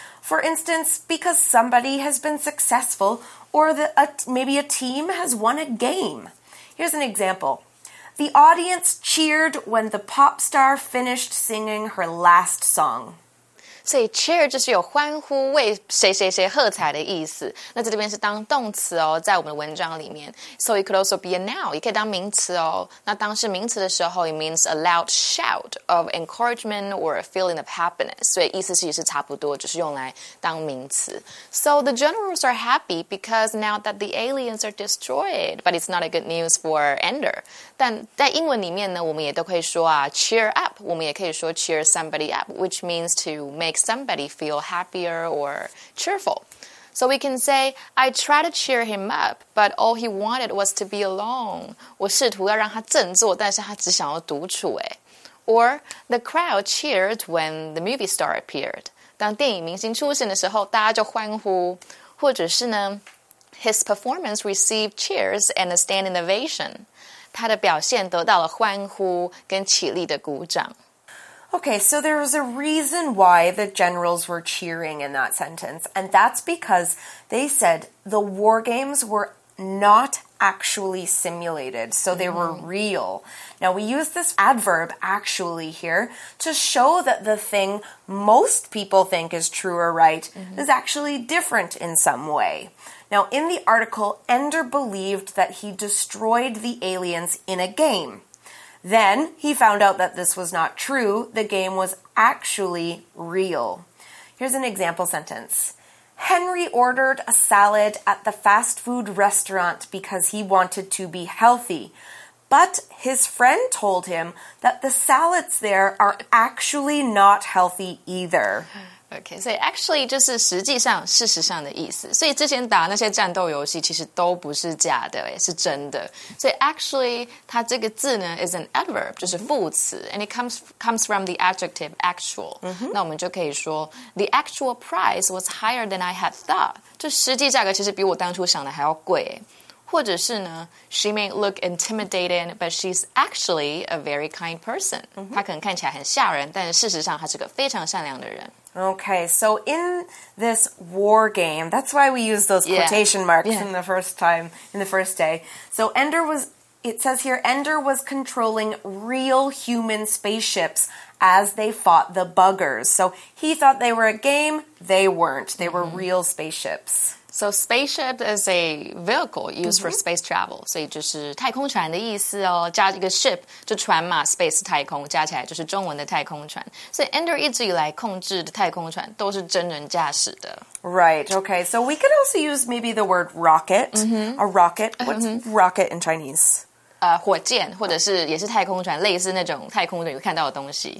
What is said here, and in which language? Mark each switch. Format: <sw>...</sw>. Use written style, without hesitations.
<en>For instance, because somebody has been successful, or maybe a team has won a game. Here's an example. The audience cheered when the pop star finished singing her last song.</en> <zh>所以 cheer 就是有欢呼为谁谁谁喝彩的意思。那这边是当动词哦，在我们的文章里面。</zh> <en>So it could also be a noun,</en> <zh>也可以当名词哦。那当是名词的时候</zh> <en>，it means a loud shout of encouragement or a feeling of happiness.</en> <zh>所以意思其实是差不多，就是用来当名词。</zh> <en>So the generals are happy because now that the aliens are destroyed, but it's not a good news for Ender.</en> <zh>但在英文里面呢，我们也都可以说啊</zh> <en>，cheer up.</en> <zh>我们也可以说</zh> <en>cheer somebody up, which means to make somebody feel happier or cheerful. So we can say, I tried to cheer him up, but all he wanted was to be alone.</en> <zh>我试图要让他振作，但是他只想要独处耶。</zh> <en>Or, the crowd cheered when the movie star appeared.</en> <zh>当电影明星出现的时候，大家就欢呼。或者是呢</zh> <en>his performance received cheers and a standing ovation.</en> <zh>他的表现得到了欢呼跟起立的鼓掌。</zh> <en>Okay, so there was a reason why the generals were cheering in that sentence, and that's because they said the war games were not actually simulated, so they were real. Now, we use this adverb actually here to show that the thing most people think is true or right is actually different in some way. Now, in the article, Ender believed that he destroyed the aliens in a game. Then, he found out that this was not true. The game was actually real. Here's an example sentence. Henry ordered a salad at the fast food restaurant because he wanted to be healthy. But his friend told him that the salads there are actually not healthy either.</en> <zh>Okay, so actually 就是实际上事实上的意思。所以之前打那些战斗游戏其实都不是假的耶，是真的。所以</zh> <en>actually</en> <zh>它这个字呢</zh> <en>is an adverb,</en> <zh>就是副词</zh> <en>and it comes from the adjective actual.、Mm-hmm.</en> <zh>那我们就可以说</zh> <en>the actual price was higher than I had thought.</en> <zh>就实际价格其实比我当初想的还要贵耶。或者是呢</zh> <en>she may look intimidating, but she's actually a very kind person.、</en> <zh>Mm-hmm. 她可能看起来很吓人但事实上她是个非常善良的人。</zh> <en>Okay, so in this war game, that's why we use those quotation marks in the first time, in the first day. So Ender was, it says here, Ender was controlling real human spaceships as they fought the buggers. So he thought they were a game, they weren't. They were real spaceships. So spaceship is a vehicle used for space travel.</en> <zh>所以就是太空船的意思哦。加一个 ship, 就船嘛 ,space 太空加起来就是中文的太空船。所以 Ender 一直以来控制的太空船都是真人驾驶的。</zh> <en>Right, okay. So we could also use maybe the word rocket. A rocket. What's rocket in Chinese?</en> <zh>火箭或者是也是太空船类似那种太空船有看到的东西。</zh>